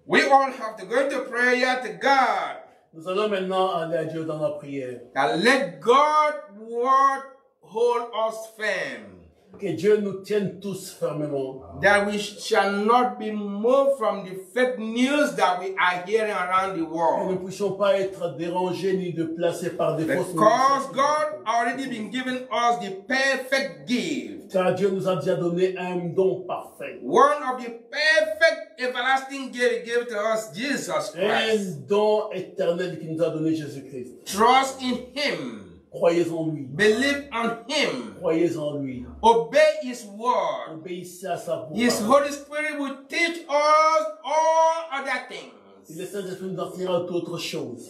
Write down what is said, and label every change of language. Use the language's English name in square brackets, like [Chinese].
[English] all have to go into prayer to God. [French] Nous allons maintenant aller à Dieu dans la prière. [English] Now let God's word hold us firm. [French] Que Dieu nous tienne tous fermement. [English] That we shall not be moved from the fake news that we are hearing around the world. [French] Nous ne puissions pas être dérangés ni déplacés par des fausses nouvelles. [English] Because God already been given us the perfect gift. [French] Car Dieu nous a déjà donné un don parfait. [English] One of the perfect everlasting gifts he gave to us, Jesus Christ. [French] Un don éternel qu'il nous a donné, Jésus Christ. [English] Trust in Him. [French] Croyez en lui. [English] Believe on Him. [French] Croyez en lui. [English] Obey His word. [French] Obéissez à sa voix. [English] His Holy Spirit will teach us all other things. [French] Et le Saint-Esprit nous enseignera d'autres choses.